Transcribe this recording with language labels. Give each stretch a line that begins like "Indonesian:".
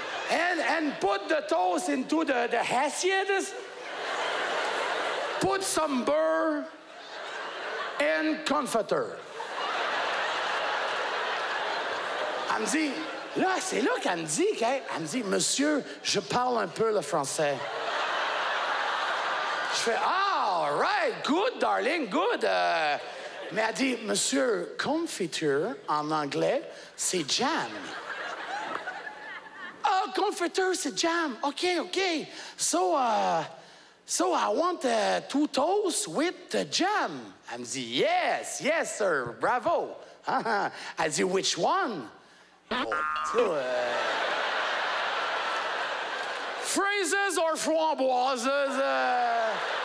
English: and put the toast into the hessians, put some burr, and comforter.
French: Elle me dit, là, c'est là qu'elle me dit, monsieur, je parle un peu le français. Je fais,
English: all right, good, darling, good.
French: Mais elle dit, monsieur, confiture en anglais, c'est jam. Oh, confiture, c'est jam. OK.
English: So I want two toasts with the jam. I said, yes, sir, bravo. I said, which one?
French: Fraises or framboises.